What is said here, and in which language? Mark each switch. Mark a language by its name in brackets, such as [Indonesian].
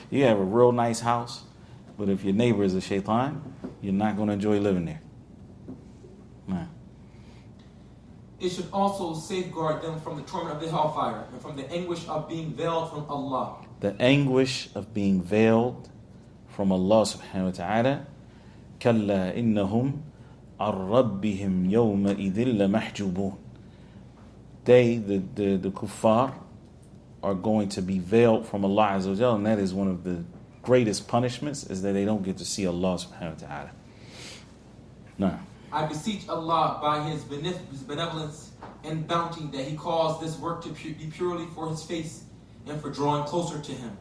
[English] You have a real nice house, but if your neighbor is a shaitan, you're not going to enjoy living there. Man. It should also safeguard them from the torment of the hellfire and from the anguish of being veiled from Allah. The anguish of being veiled from Allah subhanahu wa ta'ala. [Arabic] كلا إنهم عن ربهم يومئذ لمحجوبون. [English] They, the kuffar, are going to be veiled from Allah Azza wa Jalla, and that is one of the greatest punishments, is that they don't get to see Allah subhanahu wa ta'ala. Now, I beseech Allah by His benevolence and bounty that He caused this work to be purely for His face and for drawing closer to Him.